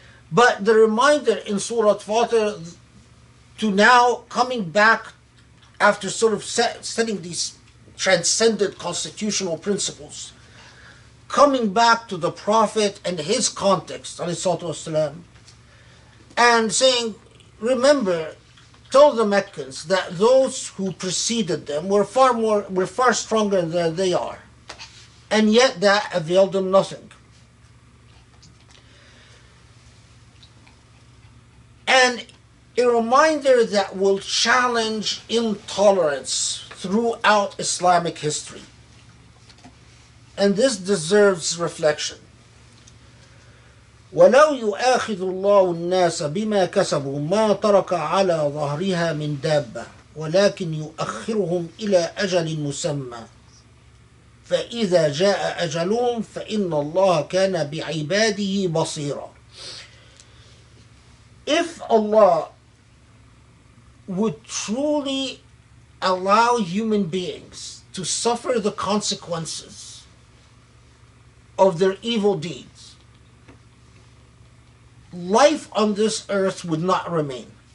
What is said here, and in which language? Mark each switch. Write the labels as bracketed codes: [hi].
[en] But the reminder in Surah Fatir to now coming back after sort of setting these transcendent constitutional principles, coming back to the Prophet and his context, alayhi salatu wasalam, and saying, remember, tell the Meccans that those who preceded them were far stronger than they are, and yet that availed them nothing. And a reminder that will challenge intolerance throughout Islamic history. And this deserves reflection. [ar] ولو يؤاخذ الله الناس بما كسبوا ما ترك على ظهرها من دابة ولكن يؤخرهم إلى أجل مسمى فإذا جاء أجلهم فإن الله كان بعباده بصيرا. [en] If Allah would truly allow human beings to suffer the consequences of their evil deeds, life on this earth would not remain.